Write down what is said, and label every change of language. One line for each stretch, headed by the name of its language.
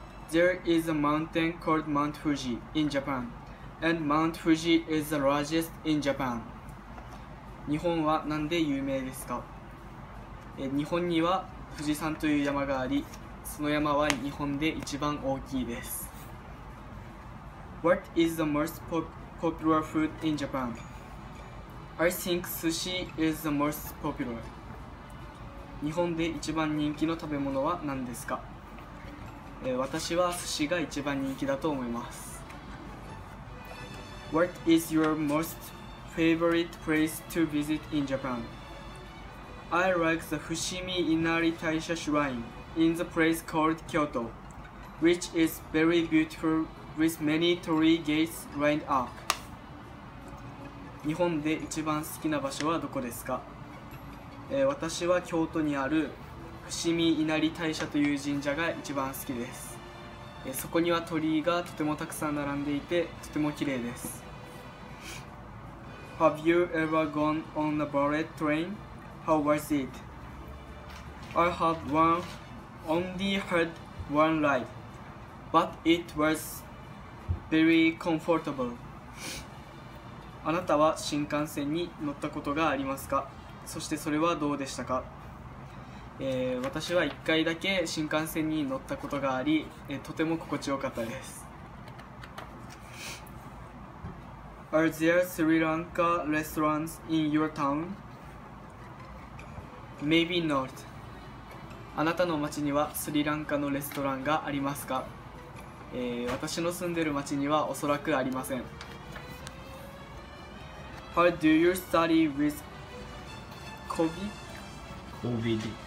English: There is a mountain called Mount Fuji in Japan, and Mount Fuji is the largest in Japan.
Japanese: 日本はなんで有名ですか？日本には富士山という山があり、その山は日本で一番大きいです。
English: What is the most popular food in Japan? I think sushi is the most popular.
Japanese: 日本で一番人気の食べ物は何ですか？私は寿司が一番人気だと思います。
English: What is your most favorite place to visit in Japan? I like the Fushimi Inari Taisha Shrine in the place called Kyoto, which is very beautiful with many torii gates lined up.
Japanese: 日本で一番好きな場所はどこですか？私は京都にある伏見稲荷大社という神社が一番好きです。そこには鳥居がとてもたくさん並んでいてとても綺麗です。
English: Have you ever gone on a bullet train? How was it? I have one, only had one ride, but it was very comfortable.
Japanese: あなたは新幹線に乗ったことがありますか？そしてそれはどうでしたか？私は1回だけ新幹線に乗ったことがあり、とても心地よかったです。
English: Are there Sri Lanka restaurants in your town? Maybe not.
Japanese: あなたの町にはスリランカのレストランがありますか？私の住んでる町にはおそらくありません。
English: How do you study with COVID?